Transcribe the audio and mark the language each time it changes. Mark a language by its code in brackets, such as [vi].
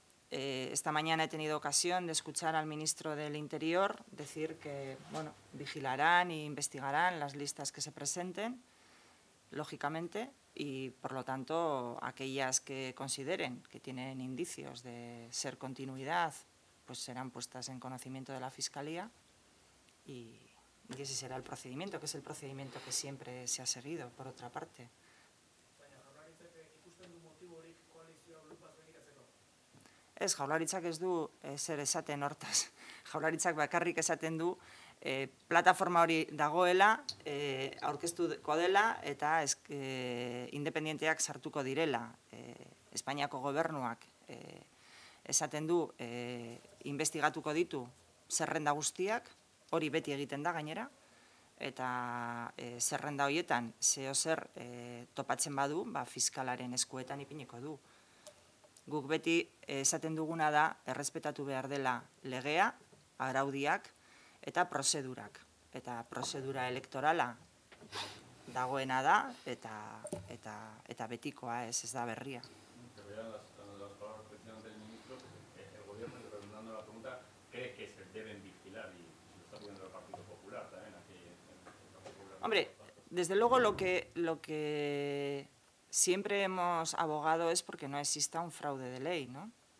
[es] Esta mañana he tenido ocasión de escuchar al ministro del Interior decir que, bueno, vigilarán e investigarán las listas que se presenten, lógicamente, y por lo tanto aquellas que consideren que tienen indicios de ser continuidad, pues serán puestas en conocimiento de la Fiscalía y ese será el procedimiento, que es el procedimiento que siempre se ha seguido, por otra parte. [eu] Ez, Jaurlaritzak ez du zer esaten hortaz. Jaurlaritzak bakarrik esaten du plataforma hori dagoela, aurkeztuko dela eta independienteak sartuko direla. Espainiako gobernuak esaten du investigatuko ditu zerrenda guztiak, hori beti egiten da gainera, eta zerrenda horietan zeozer topatzen badu, fiskalaren eskuetan ipiniko du. Guk beti esaten duguna da errespetatu behar dela legea, araudiak eta prozedurak. Eta prozedura elektorala dagoena da eta betikoa ez da berria. [es] Te voy a las palabras precisamente del ministro. El gobierno, redundando la pregunta, ¿cree que se deben vigilar? Y lo está pidiendo el Partido Popular también aquí. Hombre, desde luego lo que siempre hemos abogado es porque no exista un fraude de ley, ¿no?